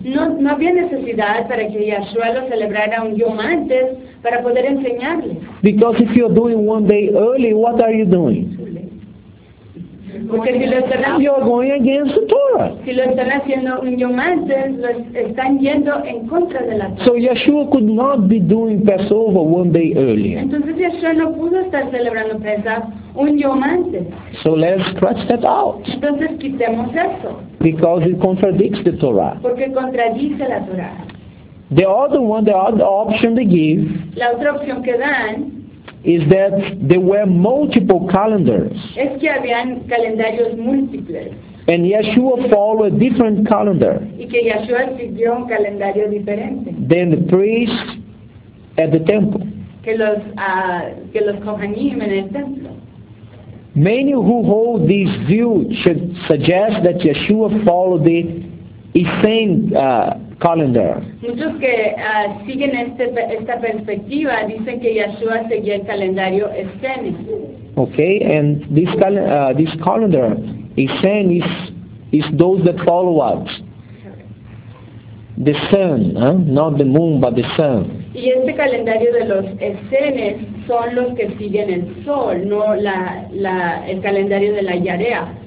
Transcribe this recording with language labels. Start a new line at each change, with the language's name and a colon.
Spanish: No había necesidad para que Yeshua lo celebrara un día antes para poder enseñarles.
English: Because if you're doing one day early, what are you doing?
Spanish: Porque si lo están haciendo,
English: you're going against the Torah.
Spanish: Si lo están haciendo un día antes, lo están yendo en contra de la Torah.
English: So Yeshua could not be doing Passover one day earlier.
Spanish: Entonces Yeshua no pudo estar celebrando Pesach un día antes.
English: So let's scratch that out.
Spanish: Entonces quitemos eso.
English: Because it contradicts the Torah.
Spanish: Porque contradice la Torah.
English: The other one, the other option they give,
Spanish: la otra opción que dan,
English: is that there were multiple calendars.
Spanish: Es que habían calendarios múltiples.
English: And Yeshua followed a different calendar.
Spanish: Y que Yeshua siguió un calendario diferente.
English: Than the priests at the temple.
Spanish: Que los kohanim en el templo.
English: Many who hold this view should suggest that Yeshua followed the Essene calendar.
Spanish: Muchos que siguen esta perspectiva dicen que Yeshua seguía el calendario Essene.
English: Okay, and this this calendar Essene is those that follow what? The sun, not the moon, but the sun.
Spanish: Y este calendario de los Essenes son los que siguen el sol, no el calendario de la Yarea.